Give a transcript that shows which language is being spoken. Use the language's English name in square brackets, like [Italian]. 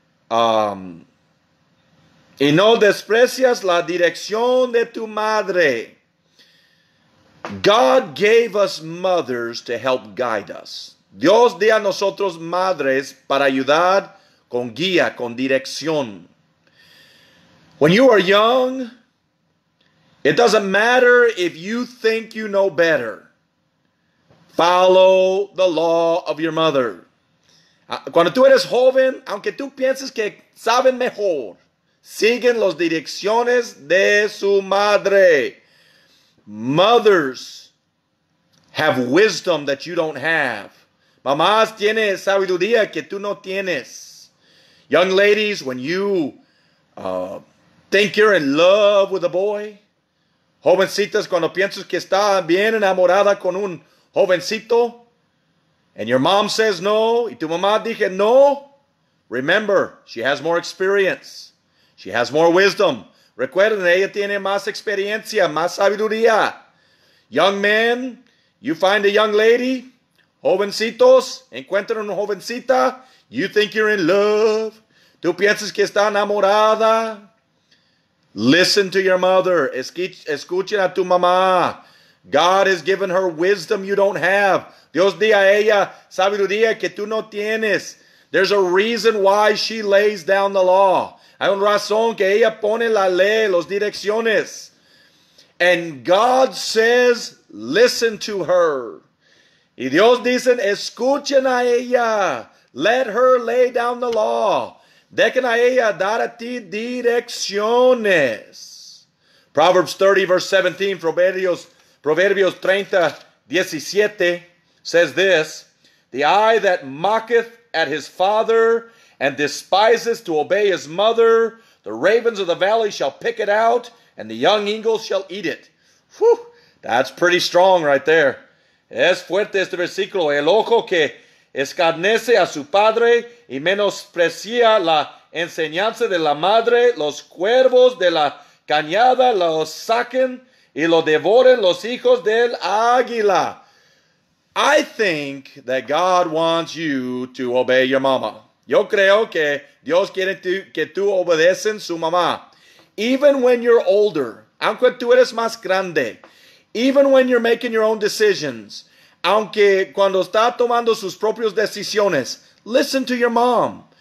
[Spanish] Y no desprecias la dirección de tu madre. [English] God gave us mothers to help guide us. [Spanish] Dios dio a nosotros madres para ayudar con guía, con dirección. [English] When you are young, it doesn't matter if you think you know better. Follow the law of your mother. [Spanish] Cuando tú eres joven, aunque tú pienses que saben mejor, siguen las direcciones de su madre. [English] Mothers have wisdom that you don't have. [Spanish] Mamás tienen sabiduría que tú no tienes. [English] Young ladies, when you think you're in love with a boy, [Spanish] jovencitas, cuando piensas que está bien enamorada con un jovencito, [English] and your mom says no, [Spanish] y tu mamá dice no, [English] remember, she has more experience. She has more wisdom. [Spanish] Recuerden, ella tiene más experiencia, más sabiduría. [English] Young men, you find a young lady, [Spanish] jovencitos, encuentran una jovencita, [English] you think you're in love, [Spanish] tú piensas que está enamorada. [English] Listen to your mother. [Spanish] Escuchen a tu mamá. [English] God has given her wisdom you don't have. [Spanish] Dios di a ella sabiduría que tú no tienes. [English] There's a reason why she lays down the law. [Spanish] Hay una razón que ella pone la ley, las direcciones. [English] And God says, listen to her. [Spanish] Y Dios dice, escuchen a ella. [English] Let her lay down the law. [Spanish] Dejen a ella dar a ti direcciones. [English] Proverbs 30, verse 17, Proverbios 30, 17, says this, the eye that mocketh at his father and despises to obey his mother, the ravens of the valley shall pick it out, and the young eagles shall eat it. Whew, that's pretty strong right there. [Spanish] Es fuerte este versículo. El ojo que escarnece a su padre y menosprecia la enseñanza de la madre, los cuervos de la cañada los saquen y lo devoren los hijos del águila. [English] I think that God wants you to obey your mama. [Spanish] Yo creo que Dios quiere que tú obedeces su mamá. [English] Even when you're older, [Spanish] aunque tú eres más grande, [English] even when you're making your own decisions, [Spanish] aunque cuando está tomando sus propias decisiones, [English] listen to your mom.